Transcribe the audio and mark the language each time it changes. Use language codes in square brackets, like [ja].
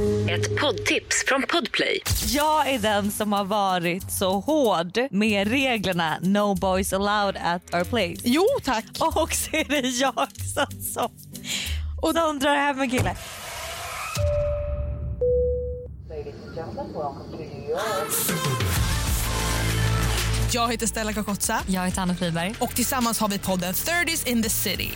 [sv] Ett poddtips från Podplay. Jag är den som har varit så hård med reglerna. [en] No boys allowed at our place. [sv] Jo, tack. Och så är det jag som och de drar hem en kille. Jag heter Stella Kakotsa. Jag heter Anna Friberg. Och tillsammans har vi podden 30s in the city.